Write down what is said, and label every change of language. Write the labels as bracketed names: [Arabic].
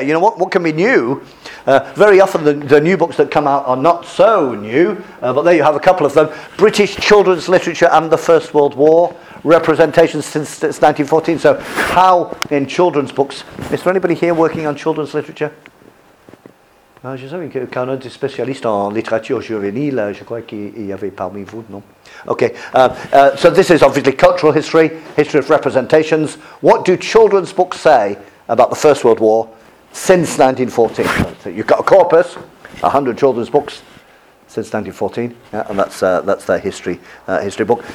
[English] You know, what can be new? Very often the new books that come out are not so new, but there you have a couple of them. British Children's Literature and the First World War, representations since 1914. So how in children's books, is there anybody here working on children's literature? [French] Je savais que quand on était spécialiste en littérature juvénile, je crois qu'il y avait parmi vous, non? [English] Okay, so this is obviously cultural history, history of representations. What do children's books say about the First World War since 1914? So you've got a corpus, 100 children's books since 1914, yeah, and that's their history history book.